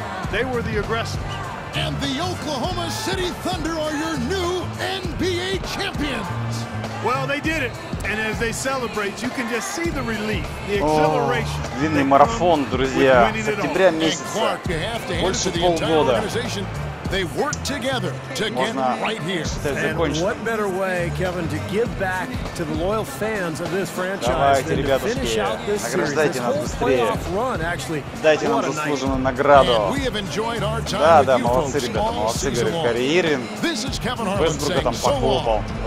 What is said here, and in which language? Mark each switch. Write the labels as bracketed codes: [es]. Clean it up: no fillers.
[en] They were the aggressors. And the Oklahoma City Thunder are your new NBA champions. Well, they did it. And as they celebrate, you can just see the relief, the acceleration. [ru] О, длинный марафон, друзья, с октября месяца. Больше полгода. [en] They work together to get right here. And what better way, Kevin, to give back to the loyal fans of this franchise than to finish out this series, this whole playoff run, actually. [ru] Дайте нам заслуженную награду. Да, молодцы, ребята, молодцы, говорит Кари Ирвин. Весбрука там похлопал.